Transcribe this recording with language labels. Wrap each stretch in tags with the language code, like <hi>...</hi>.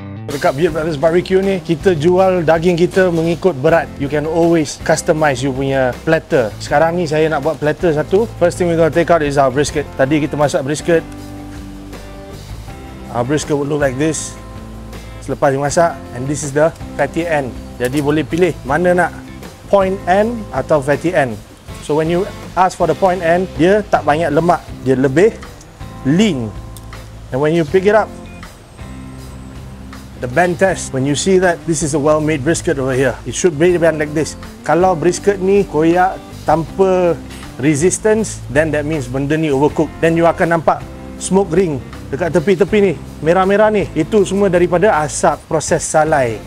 <ms>Dekat Beard Brothers Barbecue ni, kita jual daging kita mengikut berat.</ms> <en>You can always customize you</en> <ms>punya platter. Sekarang ni saya nak buat platter satu.</ms> <en>First thing we gonna take out is our brisket.</en> <ms>Tadi kita masak brisket.</ms> <en>Our brisket would look like this.</en> <ms>Selepas dimasak,</ms> <en>and this is the fatty end.</en> <ms>Jadi boleh pilih mana nak point end atau fatty end.</ms> <en>So when you ask for the point end,</en> <ms>dia tak banyak lemak. Dia lebih lean.</ms> <en>And when you pick it up, the bend test, when you see that, this is a well-made brisket over here. It should be bent like this.</en> <ms>Kalau brisket ni koyak tanpa resistance,</ms> <en>then that means</en> <ms>benda ni</ms> <en>overcooked. Then you</en> <ms>akan nampak smoke ring dekat tepi-tepi ni, merah-merah ni. Itu semua daripada asap proses salai.</ms>